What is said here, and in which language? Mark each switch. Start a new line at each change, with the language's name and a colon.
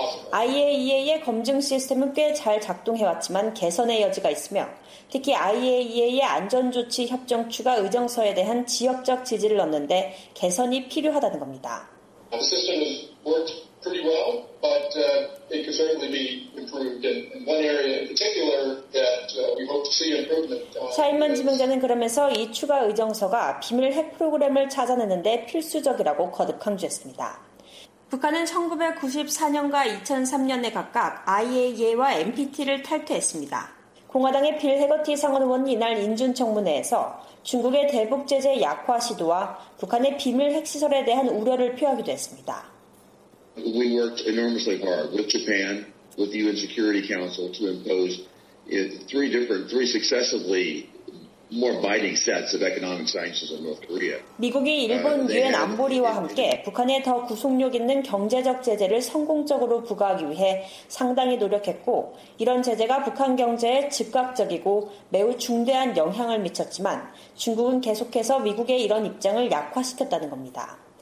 Korean: IAEA의 검증 시스템은 꽤 잘 작동해왔지만 개선의 여지가 있으며 특히 IAEA의 안전조치 협정추가 의정서에 대한 지역적 지지를 얻는 데 개선이 필요하다는 겁니다.
English: The system has worked pretty well, but it could certainly be improved in one area in particular that we hope to see improvement.
Korean: 차인만 지명자는 그러면서 이 추가 의정서가 비밀 핵 프로그램을 찾아내는 데 필수적이라고 거듭 강조했습니다. 북한은 1994년과 2003년에 각각 IAEA와 NPT를 탈퇴했습니다. 공화당의 빌 해거티 상원 의원은 이날 인준청문회에서 중국의 대북 제재 약화 시도와 북한의 비밀 핵시설에 대한 우려를 표하기도 했습니다.
English: We worked enormously hard with Japan, with the UN Security Council to impose three successively more biting sets of economic sanctions on North Korea.
Korean: 미국이 일본 유엔 안보리와 함께 북한에 더 구속력 있는 경제적 제재를 성공적으로 부과하기 위해 상당히 노력했고 이런 제재가 북한 경제에 즉각적이고 매우 중대한 영향을 미쳤지만 중국은 계속해서 미국의 이런 입장을 약화시켰다는 겁니다.